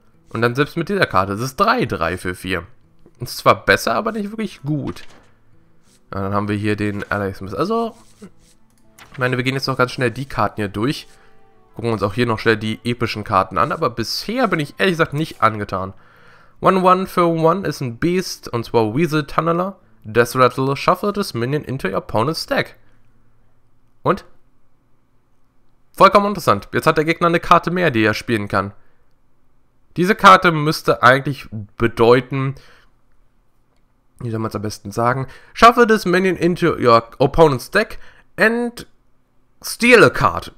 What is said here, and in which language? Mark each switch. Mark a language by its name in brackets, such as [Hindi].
[German] Und dann selbst mit dieser Karte, das ist 3-3 für 4. Ist zwar besser, aber nicht wirklich gut. Ja, dann haben wir hier den Alex Smith. Also, ich meine, wir gehen jetzt noch ganz schnell die Karten hier durch. Gucken uns auch hier noch schnell die epischen Karten an. Aber bisher bin ich ehrlich gesagt nicht angetan. 1-1 für 1 ist ein Beast, und zwar Weasel Tunneler. [English] Death Rattle, shuffle this minion into your opponent's deck. [German] Und? Vollkommen interessant. Jetzt hat der Gegner eine Karte mehr, die er spielen kann. Diese Karte müsste eigentlich bedeuten, wie soll man es am besten sagen, [English] shuffle this minion into your opponent's deck and steal a card.